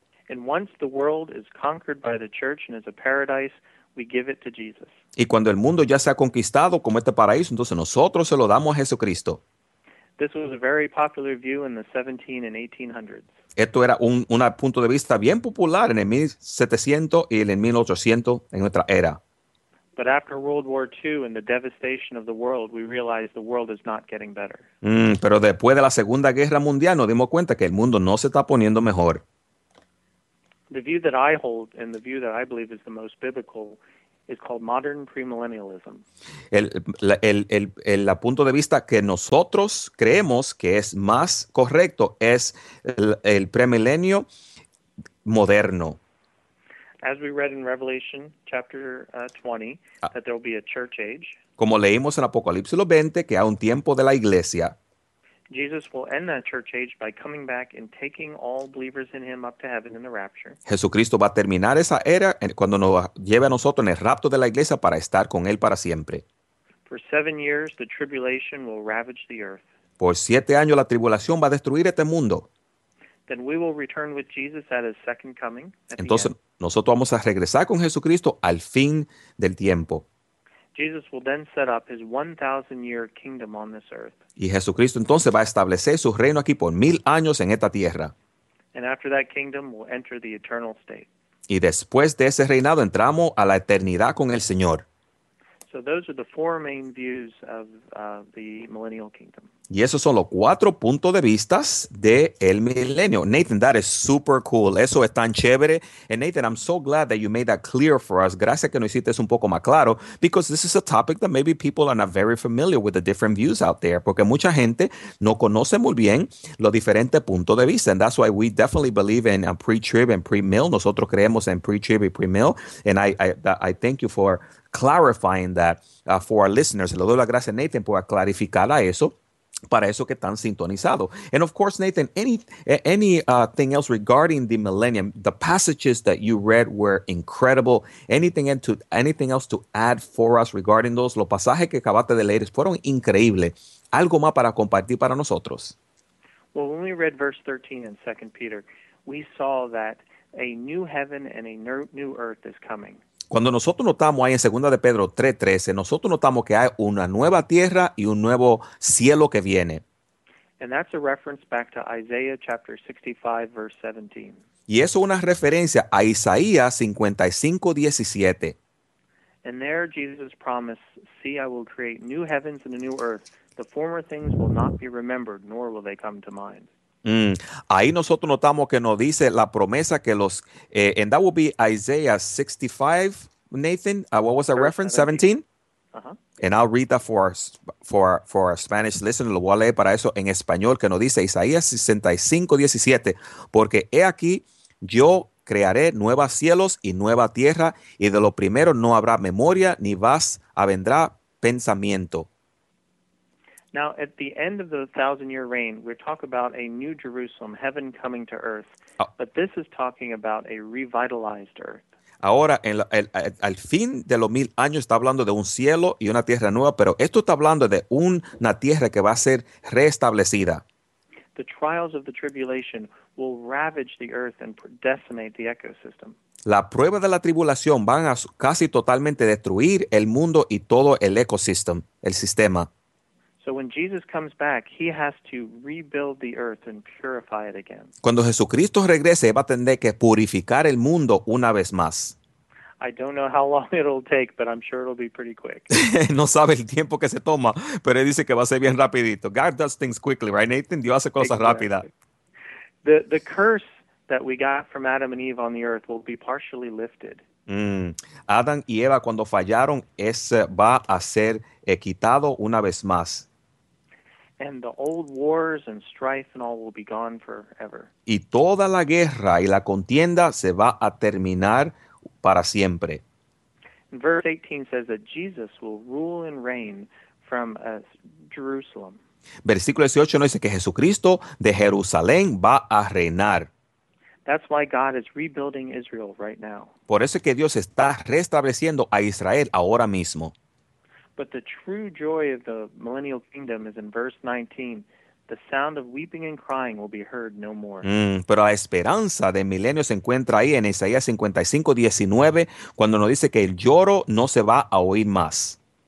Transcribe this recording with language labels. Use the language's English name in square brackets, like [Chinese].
[English] And once the world is conquered by the church and is a paradise, we give it to Jesus. [Spanish] Y cuando el mundo ya se ha conquistado como este paraíso, entonces nosotros se lo damos a Jesucristo. [English] This was a very popular view in the 1700s and 1800s. [Spanish] Esto era un punto de vista bien popular en el 1700 y en el 1800 en nuestra era. [English] But after World War II and the devastation of the world, we realized the world is not getting better. [Spanish] Pero después de la Segunda Guerra Mundial nos dimos cuenta que el mundo no se está poniendo mejor. [English] The view that I hold and the view that I believe is the most biblical is called modern premillennialism. [Spanish] El punto de vista que nosotros creemos que es más correcto es el premilenio moderno. [English] As we read in Revelation chapter 20, that there will be a church age. [Spanish] Como leímos en Apocalipsis 20, que hay un tiempo de la iglesia. [English] Jesus will end that church age by coming back and taking all believers in him up to heaven in the rapture. [Spanish] Jesucristo va a terminar esa era cuando nos lleve a nosotros en el rapto de la iglesia para estar con él para siempre. [English] For 7 years, the tribulation will ravage the earth. [Spanish] Por 7 años, la tribulación va a destruir este mundo. [English] Then we will return with Jesus at his second coming. [Spanish] Entonces, nosotros vamos a regresar con Jesucristo al fin del tiempo. [English] Jesus will then set up his 1,000-year kingdom on this earth. [Spanish] Y Jesucristo entonces va a establecer su reino aquí por 1,000 años en esta tierra. [English] And after that kingdom, we'll enter the eternal state. [Spanish] Y después de ese reinado, entramos a la eternidad con el Señor. [English] So those are the four main views of the millennial kingdom. [Spanish] Y esos son los cuatro puntos de vista del milenio. [English] Nathan, that is super cool. [Spanish] Eso es tan chévere. [English] And Nathan, I'm so glad that you made that clear for us. [Spanish] Gracias que nos hiciste un poco más claro. [English] Because this is a topic that maybe people are not very familiar with the different views out there. [Spanish] Porque mucha gente no conoce muy bien los diferentes puntos de vista. [English] And that's why we definitely believe in pre-trib and pre-mill. [Spanish] Nosotros creemos en pre-trib y pre-mill. [English] And I thank you for clarifying that for our listeners. [Spanish] Le doy la gracia a Nathan por clarificar a eso. Para eso que están sintonizados. [English] And of course, Nathan, anything else regarding the millennium, the passages that you read were incredible. Anything else to add for us regarding those? [Spanish] Los pasajes que acabaste de leer fueron increíbles. ¿Algo más para compartir para nosotros? [English] Well, when we read verse 13 in 2 Peter, we saw that a new heaven and a new earth is coming. [Spanish] Cuando nosotros notamos ahí en 2 de Pedro 3:13, nosotros notamos que hay una nueva tierra y un nuevo cielo que viene. [English] And that's a reference back to Isaiah chapter 65, verse 17. [Spanish] Y eso es una referencia a Isaías 55:17. [English] And there Jesus promised, "See, I will create new heavens and a new earth. The former things will not be remembered, nor will they come to mind." [Spanish] Ahí nosotros notamos que nos dice la promesa que los, [English] and that will be Isaiah 65, Nathan, what was that reference, 17? Uh-huh. And I'll read that for our Spanish listeners, [Spanish] lo voy a leer para eso en español, que nos dice Isaías 65:17, porque he aquí, yo crearé nuevos cielos y nueva tierra, y de lo primero no habrá memoria, ni vas a vendrá pensamiento. [English] Now, at the end of the 1,000-year reign, we talk about a new Jerusalem, heaven coming to earth. But this is talking about a revitalized earth. [Spanish] ahora en al fin de los mil años está hablando de un cielo y una tierra nueva, pero esto está hablando de una tierra que va a ser restablecida. [English] The trials of the tribulation will ravage the earth and decimate the ecosystem. [Spanish] La prueba de la tribulación van a casi totalmente destruir el mundo y todo el ecosystem, el sistema. [English] So when Jesus comes back, he has to rebuild the earth and purify it again. [Spanish] Cuando Jesucristo regrese, va a tener que purificar el mundo una vez más. [English] I don't know how long it'll take, but I'm sure it'll be pretty quick. [Spanish] No sabe el tiempo que se toma, pero él dice que va a ser bien rapidito. [English] God does things quickly, right, Nathan? [Spanish] Dios hace cosas rápidas. [English] The curse that we got from Adam and Eve on the earth will be partially lifted. [Spanish] Adam y Eva, cuando fallaron, va a ser quitado una vez más. [English] And the old wars and strife and all will be gone forever. [Spanish] Y toda la guerra y la contienda se va a terminar para siempre. [English] Verse 18 says that Jesus will rule and reign from Jerusalem. [Spanish] Versículo 18 nos dice que Jesucristo de Jerusalén va a reinar. [English] That's why God is rebuilding Israel right now. [Spanish] Por eso es que Dios está restableciendo a Israel ahora mismo. [English] But the true joy of the millennial kingdom is in verse 19. The sound of weeping and crying will be heard no more. [Spanish] Pero la esperanza de milenio se encuentra ahí en Isaías 55:19, cuando nos dice que el lloro no se va a oír más.